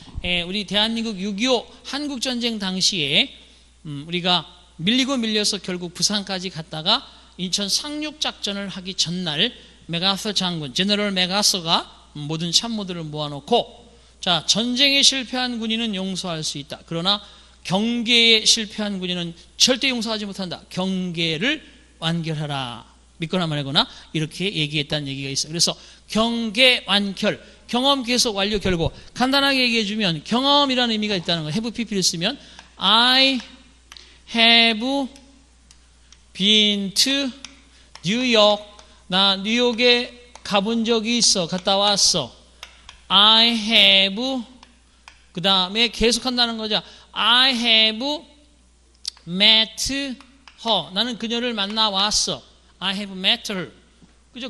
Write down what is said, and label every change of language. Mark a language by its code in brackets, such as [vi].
[ko] 예, 우리 대한민국 6.25 한국 전쟁 당시에 우리가 밀리고 밀려서 결국 부산까지 갔다가 인천 상륙 작전을 하기 전날 메가서 장군, 제너럴 메가서가 모든 참모들을 모아놓고 자, 전쟁에 실패한 군인은 용서할 수 있다. 그러나 경계에 실패한 군인은 절대 용서하지 못한다. 경계를 완결하라. 믿거나 말거나 이렇게 얘기했다는 얘기가 있어요. 그래서 경계 완결, 경험 계속 완료 결과. 간단하게 얘기해주면 경험이라는 의미가 있다는 거예요. [en] Have PP를 [ko] 쓰면 [en] I have been to New York. [ko] 나 뉴욕에 가본 적이 있어. 갔다 왔어. [en] I have, [ko] 그 다음에 계속한다는 거죠. [en] I have met her. [ko] 나는 그녀를 만나 왔어. [en] I have met her. [ko] 그죠?